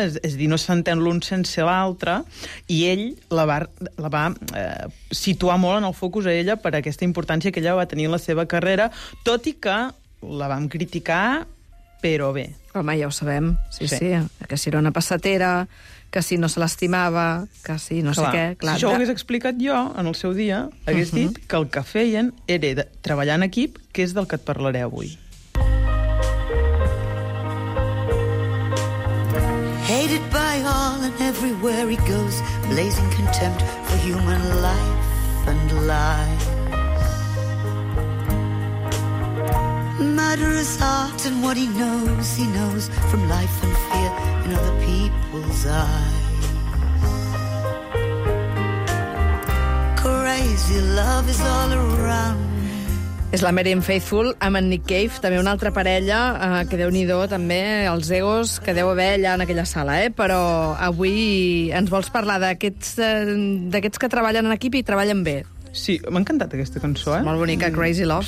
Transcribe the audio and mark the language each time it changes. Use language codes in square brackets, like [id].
[ca] És a dir, no s'entén l'un sense l'altre, i ell la va situar molt en el focus a ella per aquesta importància que ella va tenir en la seva carrera, tot i que la vam criticar, però bé. Home, ja ho sabem, sí, que si era una passatera, que si no se l'estimava, que si no clar, sé què... Clar, si això ho hagués explicat jo en el seu dia, hagués dit que el que feien era treballar en equip, que és del que et parlaré avui. [en] Hated by all and everywhere he goes, blazing contempt for human life and lies. Murderous heart and what he knows from life and fear in other people's eyes. Crazy love is all around. [ca] És la Mary Faithful amb en Nick Cave, també una altra parella, que déu-n'hi-do també, els egos que deu haver allà en aquella sala, eh? Però avui ens vols parlar d'aquests que treballen en equip i treballen bé. Sí, m'ha encantat aquesta cançó, eh? Molt bonica, Crazy Love.